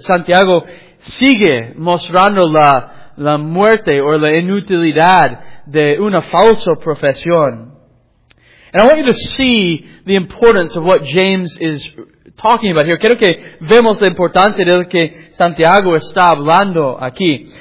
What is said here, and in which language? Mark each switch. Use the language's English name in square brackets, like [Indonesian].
[Spanish] Santiago sigue mostrando la muerte o la inutilidad de una falsa profesión. [English] And I want you to see the importance of what James is talking about here. [Spanish] Quiero que vemos la importancia de lo que Santiago está hablando aquí.